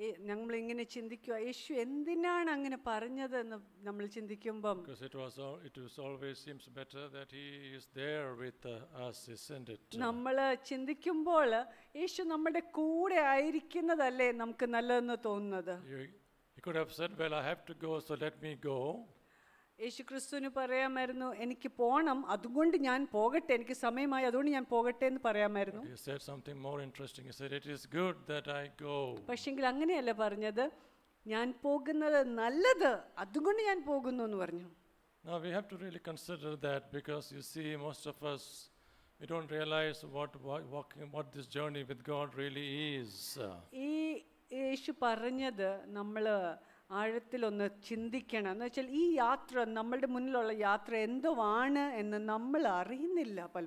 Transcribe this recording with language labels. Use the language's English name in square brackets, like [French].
[Malayalam] നമ്മൾ ഇങ്ങനെ ചിന്തിക്കുക, യേശു എന്തിനാണ് അങ്ങനെ പറഞ്ഞത് എന്ന് നമ്മൾ ചിന്തിക്കുമ്പം, [English] because it was all, it was always seems better that he is there with us, isn't it? [Malayalam] നമ്മൾ ചിന്തിക്കുമ്പോൾ യേശു നമ്മുടെ കൂടെ ആയിരിക്കുന്നതല്ലേ നമുക്ക് നല്ലതെന്ന് തോന്നുന്നത്. [English] He could have said, well, I have to go, so let me go. [Malayalam] യേശു ക്രിസ്തുവിന് പറയാമായിരുന്നു, എനിക്ക് പോകണം, അതുകൊണ്ട് ഞാൻ പോകട്ടെ, എനിക്ക് സമയമായി, അതുകൊണ്ട് ഞാൻ പോകട്ടെ എന്ന് പറയാമായിരുന്നു. [English] He said something more interesting. He said, it is good that I go. [Malayalam] പക്ഷേങ്കിൽ അങ്ങനെയല്ല പറഞ്ഞത്, ഞാൻ പോകുന്നത് നല്ലത്, അതുകൊണ്ട് ഞാൻ പോകുന്നു എന്ന് പറഞ്ഞു. [English] Now we have to really consider that, because you see, most of us, we don't realize what this journey with God really is. [Malayalam] ഈ യേശു പറഞ്ഞത് നമ്മൾ ആഴത്തിലൊന്ന് ചിന്തിക്കണം എന്ന് വെച്ചാൽ, ഈ യാത്ര, നമ്മളുടെ മുന്നിലുള്ള യാത്ര എന്തുവാണ് എന്ന് നമ്മൾ അറിയുന്നില്ല